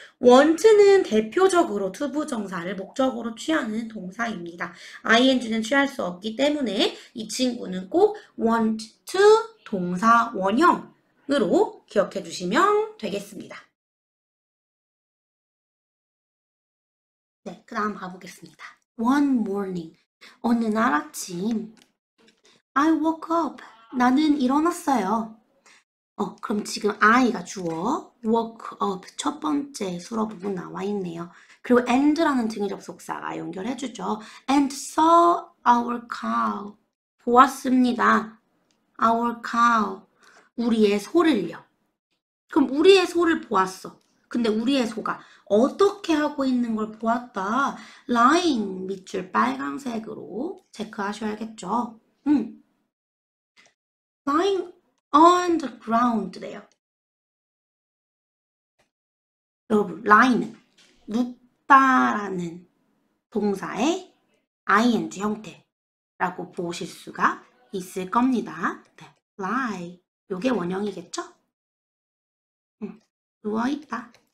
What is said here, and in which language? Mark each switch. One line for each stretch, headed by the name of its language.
Korean: want는 대표적으로 to 부정사를 목적으로 취하는 동사입니다. ing는 취할 수 없기 때문에 이 친구는 꼭 want to 동사 원형으로 기억해 주시면 되겠습니다. 네, 그 다음 가보겠습니다.
English: One morning,
Korean: 어느 날 아침,
English: I woke up.
Korean: 나는 일어났어요. 그럼 지금 I가 주어, woke up 첫 번째 수로 부분 나와 있네요. 그리고 and라는 등의 접속사가 연결해 주죠.
English: And saw our cow.
Korean: 보았습니다.
English: Our cow.
Korean: 우리의 소를요. 그럼 우리의 소를 보았어. 근데 우리의 소가 어떻게 하고 있는 걸 보았다. 라잉 밑줄 빨강색으로 체크하셔야겠죠.
English: Lying on the ground래요.
Korean: 여러분, lying은 눕다라는 동사의 ing 형태라고 보실 수가 있을 겁니다. 네, lie. 요게 원형이겠죠? 누워있다.